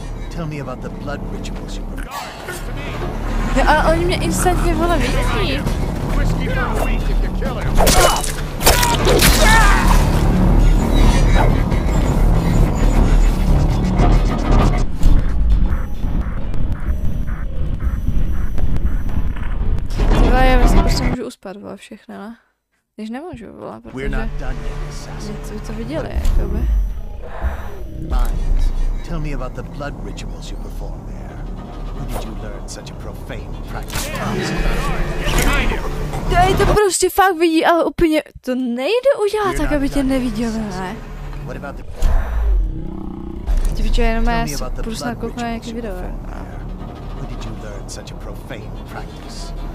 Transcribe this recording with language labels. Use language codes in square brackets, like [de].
[en] Tell me about the blood rituals you perform. [cs] Ja, a oni mě instantně vole vidí. Tyhle, já myslím, že můžu uspat vole všechny, ne? Když nemůžu vole, protože... Co by to viděli, jakoby? [en] Minds. Tell me about the blood rituals you perform there. Who did you learn such a profane practice? [cs] Dej, to prostě fakt vidí, ale úplně to nejde udělat tak, aby tě neviděli, ne? Ty by že jenom já si prostě nakouknu na nějaký video. [en] Where did you learn such a profane practice?